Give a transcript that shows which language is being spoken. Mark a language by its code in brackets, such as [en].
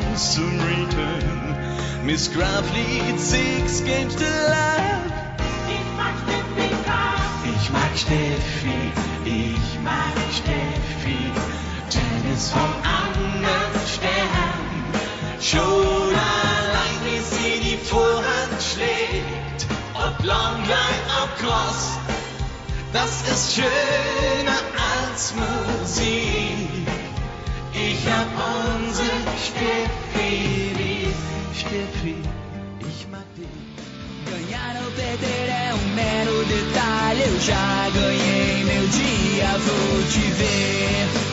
[en] Miss Graf lead 6 games to love. [de] Ich mag Steffi, ich mag Steffi. Tennis vom anderen Stern. Schon allein, wie sie die Vorhand schlägt. Ob long line, ob cross. Das ist schöner als Musik. Ich hab unsere Steffi lieb. Steffi, ich mag dich. [pt] Ganharam Federer, um mero detalhe. Eu já ganhei meu dia, vou te ver.